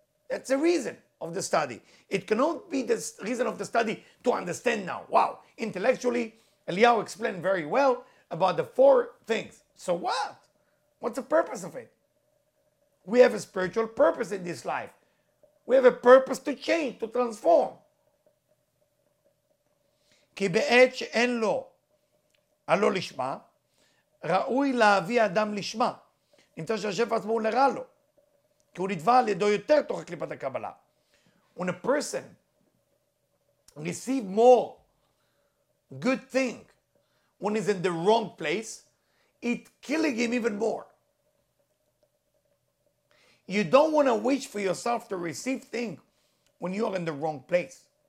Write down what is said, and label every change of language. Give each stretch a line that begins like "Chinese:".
English: That's the reason of the study. It cannot be the reason of the study to understand now. Wow. Intellectually, Eliyahu explained very well about the four things. So what? What's the purpose of it? We have a spiritual purpose in this life. We have a purpose to change, to transform.
Hebrew: כי בעת שאין לו הלא לשמה, ראוי להביא אדם לשמה. נמצא שהשפע עצמו הוא לרע לו, כי הוא נדבע על ידו יותר תוך הקליפת הקבלה.
English: When a person receives more good thing when he's in the wrong place, it's killing him even more. You don't want to wish for yourself to receive things when you're in the wrong place.